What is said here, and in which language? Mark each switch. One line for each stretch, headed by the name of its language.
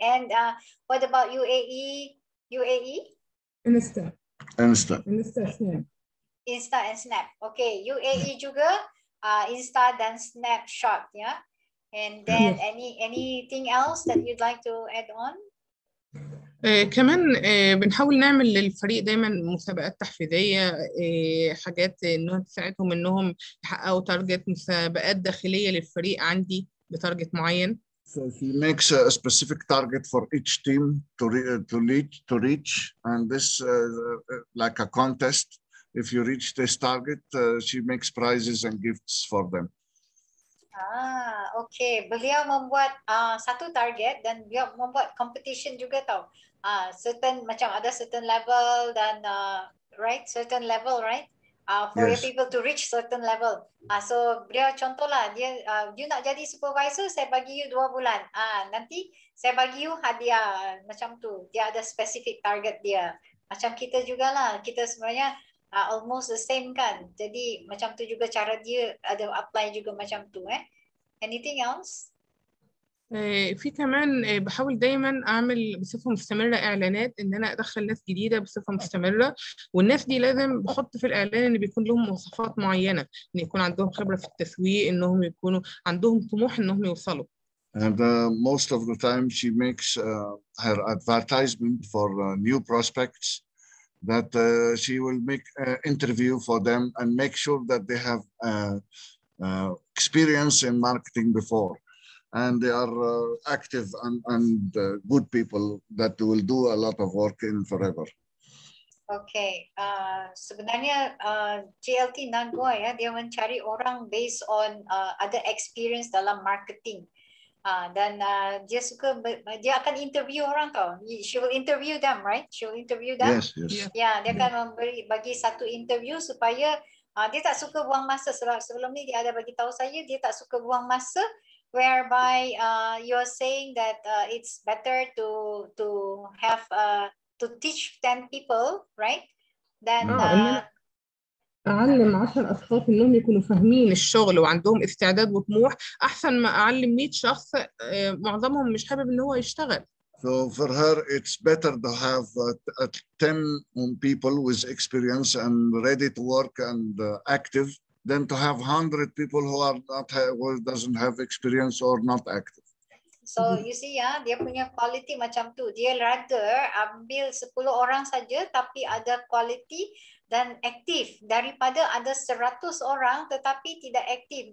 English: And what about UAE? UAE? Insta and Snap.
Malay: Okay, UAE juga, Insta dan Snapshot, ya. Yeah?
English: And then anything else that you'd like to add on?
Arabic: كمان بنحاول نعمل للفريق دايما مسابقات تحفيزية، حاجات انهم تساعدهم انهم يحققوا تارجت، مسابقات داخلية للفريق عندي بتارجت معين.
English: So he makes a specific target for each team to reach and this like a contest. If you reach this target, she makes prizes and gifts for them.
Malay: Ah, okay. Beliau membuat satu target dan dia membuat competition juga tau.
English: Certain
Malay: macam ada
English: certain level
Malay: dan
English: right, certain level, right? For your people to reach certain level.
Malay: So beliau contohlah dia you nak jadi supervisor, saya bagi you 2 bulan. Nanti saya bagi you hadiah macam tu. Dia ada specific target dia. Macam kita jugalah. Kita sebenarnya
English: almost the same
Malay: kan. Jadi macam tu juga cara dia ada apply juga macam tu eh.
English: Anything else?
Arabic: في كمان بحاول دايما اعمل بصفه مستمره اعلانات ان انا ادخل ناس جديده بصفه مستمره، والناس دي لازم بحط في الاعلان ان بيكون لهم مواصفات معينه، ان يكون عندهم خبره في التسويق، انهم يكونوا عندهم طموح انهم يوصلوا.
English: And most of the time she makes her advertisement for new prospects that she will make an interview for them and make sure that they have experience in marketing before. And they are active and good people that will do a lot of work in forever.
Malay: Okay, sebenarnya GLT Nagwa ya, dia mencari orang based on ada experience dalam marketing. Dan dia suka, dia akan interview orang tau.
English: She will interview them, right? She will interview them. Yes, yes.
Malay: Yeah, dia akan memberi bagi satu interview supaya dia tak suka buang masa. Sebab sebelum ni dia ada bagi tahu saya, dia tak suka buang masa.
English: Whereby you are saying that it's better to have to teach 10 people, right? Then
Arabic: أعلم 10 أشخاص إنهم يكونوا فاهمين الشغل وعندهم استعداد وطموح أحسن ما أعلم 100 شخص معظمهم مش حابب إن هو يشتغل.
English: So for her, it's better to have at 10 people with experience and ready to work and active than to have 100 people who are not who doesn't have experience or not active. So you see
Malay: ya, dia punya quality macam tu. Dia rather ambil 10 orang saja tapi ada quality dan aktif daripada ada 100 orang tetapi tidak aktif.